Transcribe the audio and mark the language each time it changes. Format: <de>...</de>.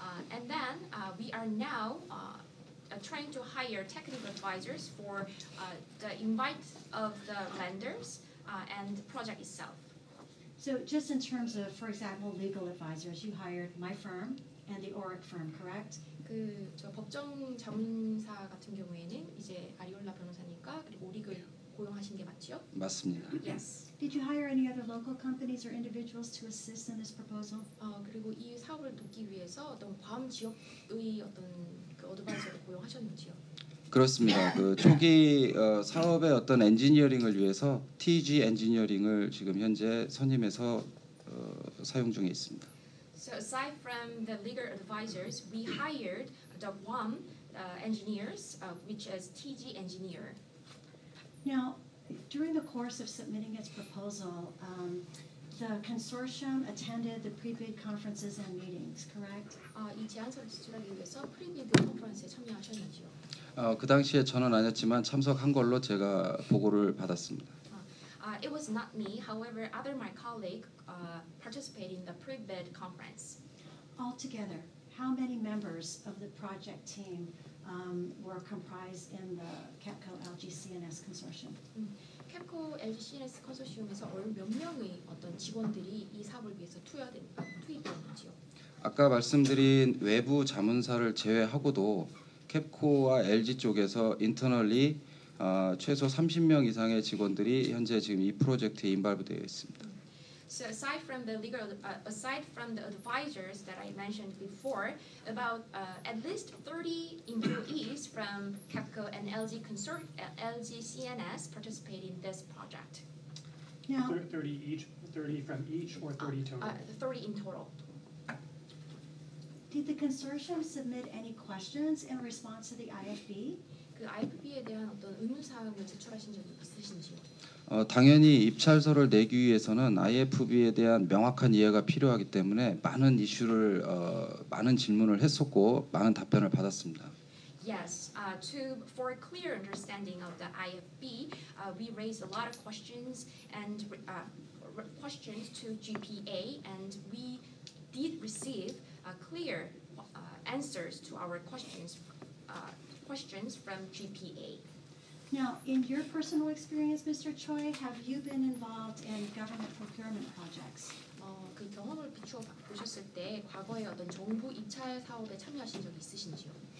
<en>And then we are now trying to hire technical advisors for the invite of the lenders and the project itself. So just in terms of, for example, legal advisors, you hired my firm and the ORIC firm, correct?</en> <ko>그 저 법정 자문사 같은 경우에는 이제 아리올라 변호사니까 그리고 오릭을 고용하신 게 맞죠? 맞습니다.</ko> <en>Yes. Did you hire any other local companies or individuals to assist in this proposal?</en> <ko>그리고 이 사업을 돕기 위해서 어떤 괌 지역의 어떤 그 어드바이저를 고용하셨는지요? 그렇습니다. 그 초기 사업의 어떤 엔지니어링을 위해서 TG 엔지니어링을 지금 현재 선임해서 사용 중에 있습니다.</ko> <en>So aside from the legal advisors, we hired the WAM engineers, which is TG Engineer. Now, during the course of submitting its proposal, the consortium attended the pre-bid conferences and meetings, correct?</en> <ko>이 제안서를 제출하기 위해서 pre-bid 컨퍼런스에 참여하셨는지요? 그 당시에 저는 아니었지만 참석한 걸로 제가 보고를 받았습니다.</ko> <en>It was not me, however, other my colleague participated in the pre-bid conference. Altogether, how many members of the project team were comprised in the KEPCO LGCNS consortium?</en> <ko>KEPCO LGCNS consortium에서 몇 명의 어떤 직원들이 이 사업을 위해서 투입되었는지요? 아까 말씀드린 외부 자문사를 제외하고도 KEPCO와 LG 쪽에서 internally 최소 30명 이상의 직원들이 현재 지금 이 프로젝트에 인발되어 있습니다.</ko> <en>So aside from the legal, aside from the advisors that I mentioned before, about at least 30 employees from KEPCO and LG consort, LG CNS participate in this project. Now, 30 each, 30 from each or 30 total? 30 in total. Did the consortium submit any questions in response to the IFB?</en> <ko>그 IFB에 대한 어떤 의문 사항을 제출하신 적이 있으신지요? 당연히 입찰서를 내기 위해서는 IFB에 대한 명확한 이해가 필요하기 때문에 많은 이슈를 많은 질문을 했었고 많은 답변을 받았습니다.</ko> <en>Yes, for a clear understanding of the IFB, we raised a lot of questions and questions to GPA, and we did receive clear answers to our questions. Questions from GPA. Now, in your personal experience, Mr. Choi, have you been involved in government procurement projects?</en> <ko>그 경험을 비추어 보셨을 때 과거에 어떤 정부 입찰 사업에 참여하신 적 있으신지요?</ko>